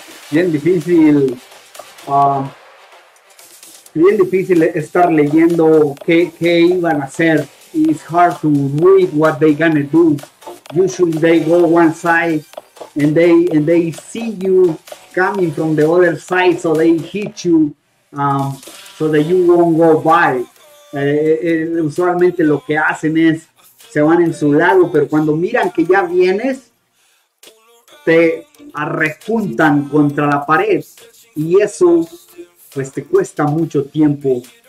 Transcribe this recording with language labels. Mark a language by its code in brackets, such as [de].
[es] Bien difícil, bien difícil estar leyendo qué iban a hacer. [en] It's hard to read what they gonna do. Usually they go one side and they see you coming from the other side, so they hit you so that you won't go by. [es] Usualmente lo que hacen es se van en su lado, pero cuando miran que ya vienes, te arrepuntan contra la pared y eso pues te cuesta mucho tiempo.